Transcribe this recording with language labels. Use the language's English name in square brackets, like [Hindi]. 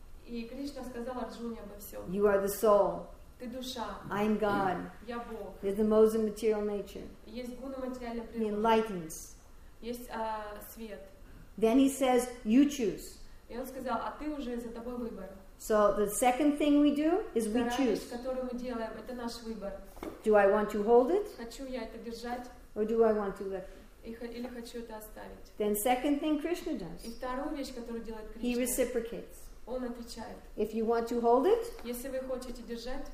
[Russian] И Кришна сказал Арджуне обо всём. [English] You are the soul. [Russian] Ты душа. [English] I am God. [Russian] Я Бог. [English] There's the most immaterial nature. [Russian] Есть гуна материальная природа. [English] He enlightens. [Russian] Есть свет. [English] Then he says, you choose. [Russian] И он сказал, а ты уже за тобой выбор. [English] So the second thing we do is we choose. [Russian] Вещь, которую мы делаем, это наш выбор. [English] Do I want to hold it? [Russian] Хочу я это держать? [English] Or do I want to let it? [Russian] Или хочу это оставить? [English] Then second thing Krishna does. [Russian] И вторую вещь, которую делает Кришна. [English] He reciprocates. [Russian] Он отвечает. [English] If you want to hold it, [Russian] если вы хотите держать,